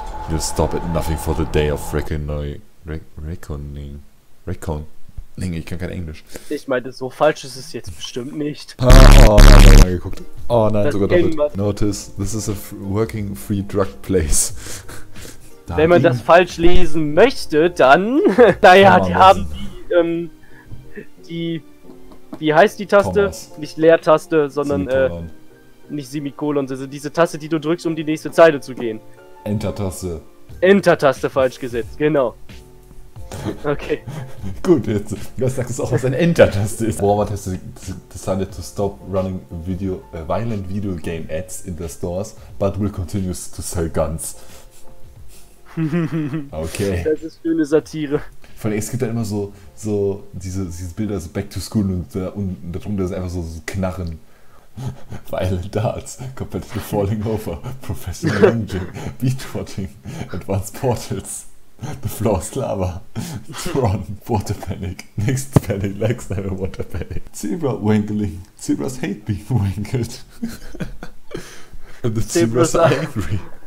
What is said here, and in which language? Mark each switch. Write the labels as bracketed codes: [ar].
[en] He'll stop at nothing for the day of reckoning. [de] Reckoning, ich kann kein Englisch. Ich meinte, so falsch ist es jetzt bestimmt nicht. Oh nein, sogar doppelt. [en] Notice, this is a working free drug place. [de] Dagegen? Wenn man das falsch lesen möchte, dann, naja, die haben wie heißt die Taste? Thomas. Nicht Leertaste, sondern, nicht Semikolon, also diese Taste, die du drückst, um die nächste Zeile zu gehen. Enter-Taste. Enter-Taste falsch gesetzt, genau. Okay. Gut, jetzt, du sagst es auch, was ein Enter-Taste ist. [en] Walmart has decided to stop running violent video game ads in the stores, but will continue to sell guns. [de] Okay. Das ist für eine Satire. Vor allem, es gibt da immer so diese Bilder, so Back to School und da unten darunter ist einfach so Knarren. [en] Violent Darts, Competitive Falling Over, Professional Ranging, Beatrotting, Advanced Portals, The Floor is Lava, Tron, Water Panic, Next Panic, Legs Never Water Panic, Zebra Wangling, Zebras Hate Being Wangled, and the Zebras are Angry.